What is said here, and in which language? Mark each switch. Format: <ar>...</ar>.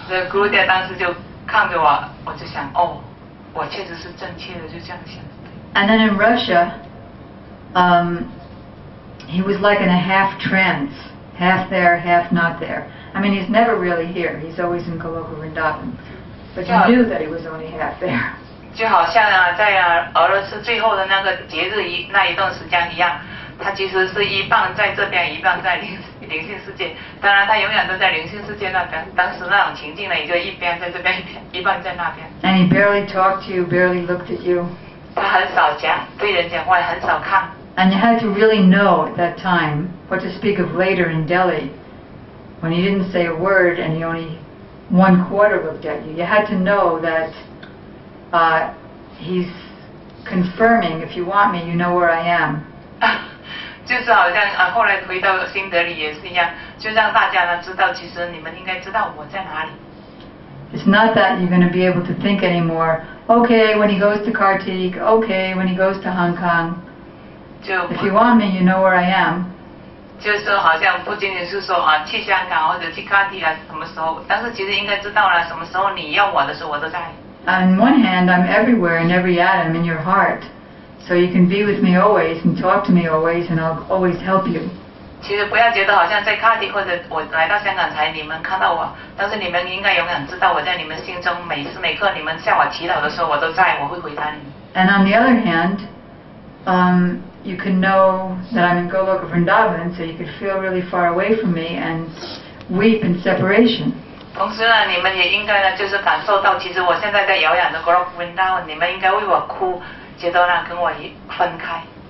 <zh>Gurudev 当时就看着我，我就想，哦，我确实是正确的，就这样想。</zh> <en>And then in Russia, he was like in a half trance, half there, half not there. I mean, he's never really here. He's always in Goloka Vrindavan. But you knew that he was only half there.</en> <zh>就好像在俄罗斯最后的那个节日那一段时间一样，他其实是一半在这边，一半在另一灵性世界，当然他永远都在灵性世界那边，当时那种情境的一个一边在这边，一半在那边。</zh> <en>And he barely talked to you, barely looked at you.</en> <zh>他很少讲，对人讲话也很少看。</zh> <en>And you had to really know at that time what to speak of later in Delhi, when he didn't say a word and he only one quarter looked at you. You had to know that he's confirming, if you want me, you know where I am.</en> <zh>就是好像后来回到新德里也是一样，就让大家知道，其实你们应该知道我在哪里。</zh> <en>It's not that you're going to be able to think anymore, okay, when he goes to Kartik, okay, when he goes to Hong Kong. If you want me, you know where I am.</en> <zh>就是好像不仅仅是说啊，去香港或者去卡迪啊，什么时候？但是其实应该知道了，什么时候你要我的时候，我都在。</zh> <en>On one hand, I'm everywhere in every atom in your heart, so you can be with me always and talk to me always, and I'll always help you.</en> <zh>其实不要觉得好像在卡迪或者我来到香港才你们看到我，但是你们应该永远知道我在你们心中每时每刻，你们向我祈祷的时候，我都在，我会回答你。</zh> <en>And on the other hand, You can know that I'm in Goloka Vrindavan, so you could feel really far away from me and weep in separation.</en> <zh>同时呢，你们也应该呢，就是感受到，其实我现在在遥远的 Goloka Vrindavan， 你们应该为我哭，觉得呢，跟我分开。</zh>